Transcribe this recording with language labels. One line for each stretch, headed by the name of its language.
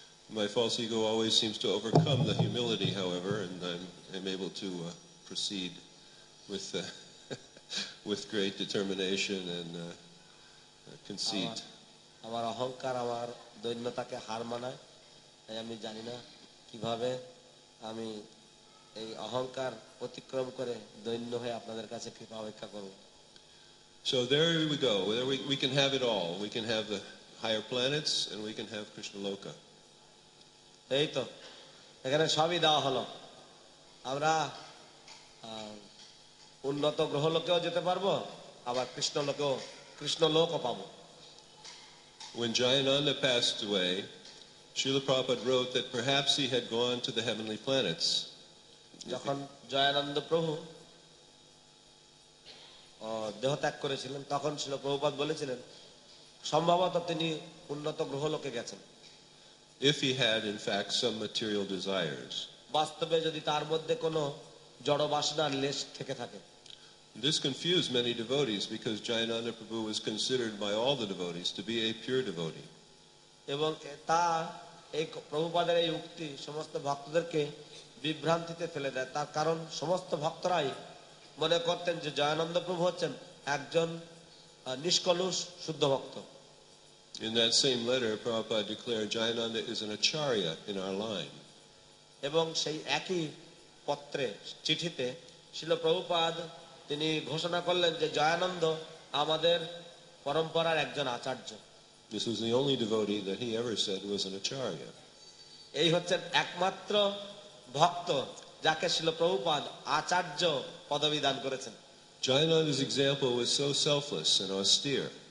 English: My false ego always seems to overcome the humility, however, and I'm able to proceed with with great determination and conceit.
Bangla: আমার অহংকার আমার দৈন্যতাকে হার মানায়, তাই আমি জানি না কিভাবে আমি এই অহংকার অতিক্রম করে দৈন্য হয়ে আপনাদের কাছে কৃপা অপেক্ষা করব।
English: So there we go. We can have it all. We can have the higher planets and we can have Krishna Loka.
Bangla: এই তো এখানে সবই দেওয়া হলো, আমরা উন্নত গ্রহলোকেও যেতে পারবো, আবার কৃষ্ণলোকেও কৃষ্ণলোকও পাবো।
English: When Jayananda passed away, Srila Prabhupada wrote that perhaps he had gone to the heavenly planets.
Bangla: যখন জয়ানন্দ প্রভু দেহ ত্যাগ করেছিলেন তখন শ্রীল প্রভুপাদ বলেছিলেন সম্ভবত তিনি উন্নত গ্রহলোকে গেছেন।
English: If he had in fact some material desires.
Bangla: বাস্তবে যদি তার মধ্যে কোনো জড় বাসনার লেশ থেকে থাকে।
English: This confused many devotees because Jayananda Prabhu was considered by all the devotees to be a pure devotee.
Bangla: এবং তা এই প্রভুপাদের এই উক্তি সমস্ত ভক্তদেরকে বিভ্রান্তিতে ফেলে দেয়, তার কারণ সমস্ত ভক্তরাই মনে করতেন যে জয়ানন্দ প্রভু হচ্ছেন একজন নিষ্কলুষ শুদ্ধ ভক্ত।
English: In that same letter, Prabhupada declared, Jayananda is an acharya in our line.
Bangla: এবং সেই একই পত্রে চিঠিতে শ্রীল প্রভুপাদ তিনি ঘোষণা করলেন যে জয়ানন্দ আমাদের পরম্পরার একজন আচার্য।
English: This was the only devotee that he ever said was an acharya.
Bangla: এই হচ্ছেন একমাত্র ভক্ত যাকে শ্রীল প্রভুপাদ আচার্য পদবী দান করেছেন।
English: Jayananda's example was so selfless and austere.